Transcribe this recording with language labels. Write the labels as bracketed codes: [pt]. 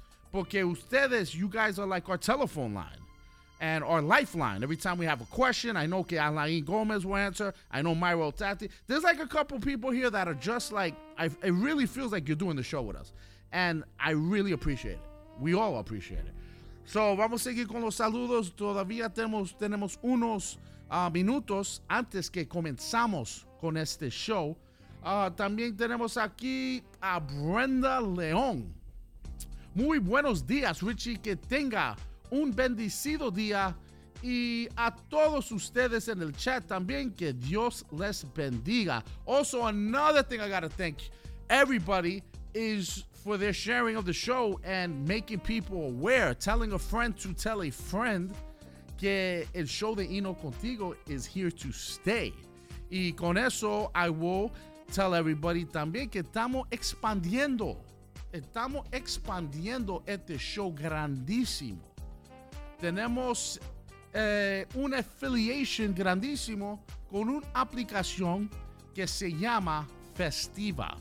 [es] Porque ustedes, [en] you guys are like our telephone line and our lifeline. Every time we have a question, I know que Alain Gomez will answer. I know Myro Tati. There's like a couple people here that are just like, it really feels like you're doing the show with us. And I really appreciate it. We all appreciate it. [es] So vamos a seguir con los saludos. Todavía tenemos unos minutos antes que comenzamos con este show. También tenemos aquí a Brenda León. Muy buenos días, Richie. Que tenga un bendecido día. Y a todos ustedes en el chat también, que Dios les bendiga. [en] Also, another thing I gotta thank everybody is for their sharing of the show and making people aware, telling a friend to tell a friend [es] que el show de [en] Eno Contigo is here to stay. [es] Y con eso, [en] I will tell everybody [es] también que estamos expandiendo este show grandísimo. Tenemos una affiliation grandísimo con una aplicación que se llama Festiva.